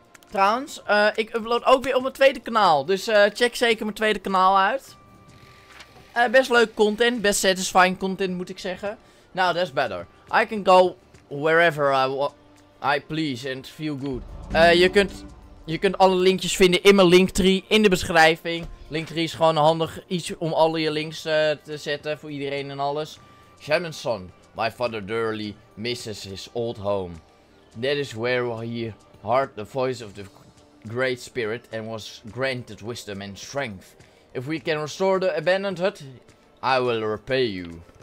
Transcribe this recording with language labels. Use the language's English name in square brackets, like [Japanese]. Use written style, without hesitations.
[Dutch] Trouwens, ik upload ook weer op mijn tweede kanaal. Dus check zeker mijn tweede kanaal uit. Best leuk content. Best satisfying content, moet ik zeggen. [English] Nou, that's better. I can go wherever I please and feel good. [Dutch] Je kunt alle linkjes vinden in mijn linktree in de beschrijving. Linktree is gewoon handig iets om al je links te zetten voor iedereen en alles. [English] Shaman's son, my father dearly misses his old home. That is where he heard the voice of the great spirit and was granted wisdom and strength. If we can restore the abandoned hut, I will repay you.